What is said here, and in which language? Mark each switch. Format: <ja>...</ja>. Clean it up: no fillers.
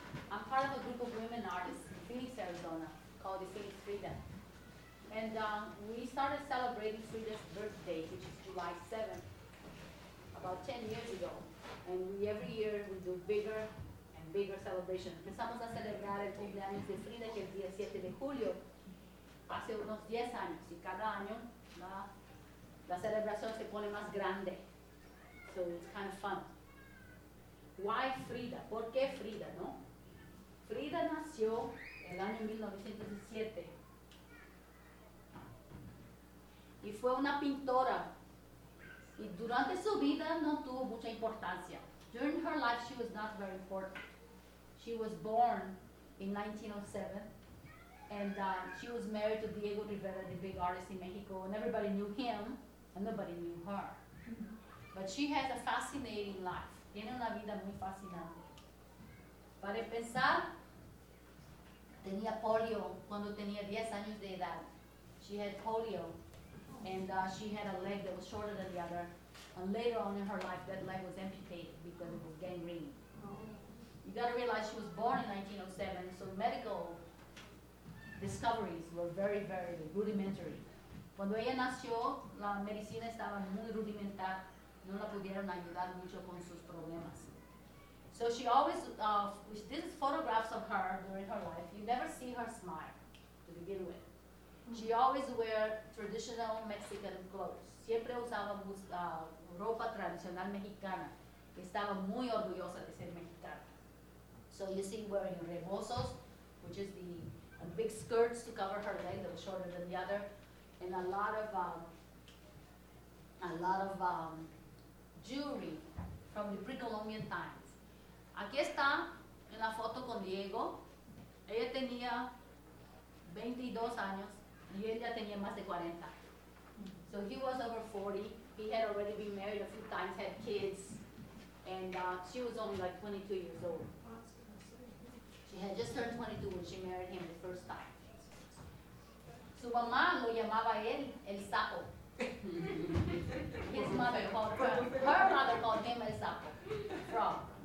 <en>I'm part of a group of women artists in Phoenix, Arizona, called the Phoenix Frida. And we started celebrating Frida's birthday, which is July 7th, about 10 years ago. And we, every year we do bigger and bigger celebrations.</en> <es>Empezamos a celebrar el cumpleaños de Frida, que es el día 7 de julio, hace unos 10 años. Y cada año, ¿no?, la celebración se pone más grande.</es> <en>So it's kind of fun. Why Frida?</en> <es>¿Por qué Frida, no? Frida nació el año 1907 y fue una pintora, y durante su vida no tuvo mucha importancia.</es> <en>During her life she was not very important. She was born in 1907 and she was married to Diego Rivera, the big artist in Mexico, and everybody knew him and nobody knew her. But she has a fascinating life.</en> <es>Tiene una vida muy fascinante. Para empezar, tenía polio cuando tenía 10 años de edad.</es> <en>She had polio, and she had a leg that was shorter than the other. And later on in her life, that leg was amputated because it was gangrene. You gotta realize she was born in 1907, so medical discoveries were very, very rudimentary.</en> <es>Cuando ella nació, la medicina estaba muy rudimentar. No la pudieron ayudar mucho con sus problemas.</es> <en>So she always, this is photographs of her during her life. You never see her smile to begin with. She always wear traditional Mexican clothes.</en> <es>Siempre usaba ropa tradicional mexicana. Estaba muy orgullosa de ser mexicana.</es> <en>So you see wearing rebozos, which is the big skirts to cover her leg that was shorter than the other, and a lot of jewelry from the pre-Columbian time.</en> <es>Aquí está en la foto con Diego. Ella tenía 22 años y él ya tenía más de 40.</es> <en>So he was over 40. He had already been married a few times, had kids, and she was only like 22 years old. She had just turned 22 when she married him the first time.</en> <es>Su mamá lo llamaba él el sapo.</es> <en>His mother called her, mother called him el sapo, frog.</en>